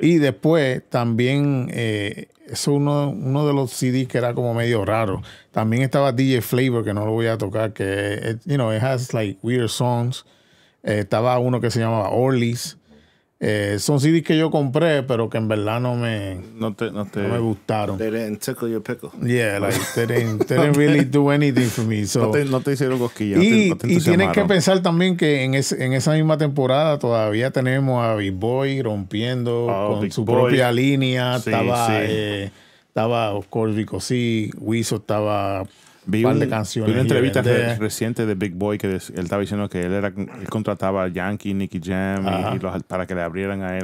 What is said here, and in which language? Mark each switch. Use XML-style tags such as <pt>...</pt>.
<es>Y después también, eso uno de los CDs que era como medio raro. También estaba DJ Flavor, que no lo voy a tocar, que,</es> <en>you know, it has like weird songs.</en> <es>Estaba uno que se llamaba Orly's. Son CDs que yo compré, pero que en verdad no me gustaron.</es> <en>They didn't tickle your pickle. Yeah, like they didn't really do anything for me. So.</en> <es>No te hicieron cosquillas. Y, no te y tienes que pensar también que en esa misma temporada todavía tenemos a Big Boy rompiendo con Big su Boy. Propia línea. Sí, estaba of course, Vico C. Wiso estaba... Vi una entrevista reciente de Big Boy que él estaba diciendo que él contrataba a Yankee, Nicky Jam para que le abrieran a él</es>